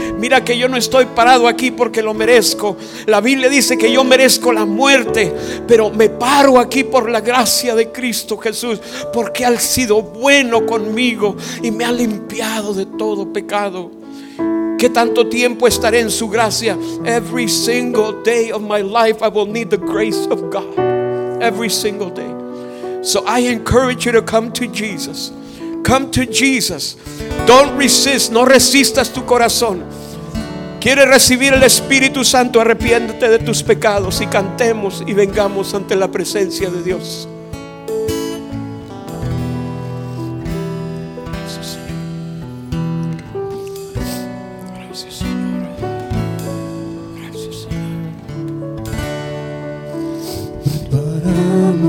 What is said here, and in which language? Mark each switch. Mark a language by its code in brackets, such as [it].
[es] Mira que yo no estoy parado aquí porque lo merezco. La Biblia dice que yo merezco la muerte, pero me paro aquí por la gracia de Cristo Jesús, porque ha sido bueno conmigo y me ha limpiado de todo pecado. ¿Qué tanto tiempo estaré en su gracia? [en] Every single day of my life I will need the grace of God. Every single day. So I encourage you to come to Jesus. Come to Jesus. Don't resist. [es] No resistas tu corazón. ¿Quieres recibir el Espíritu Santo? Arrepiéntete de tus pecados y cantemos y vengamos ante la presencia de Dios. Gracias, Señor. Gracias, Señor. Gracias, Señor.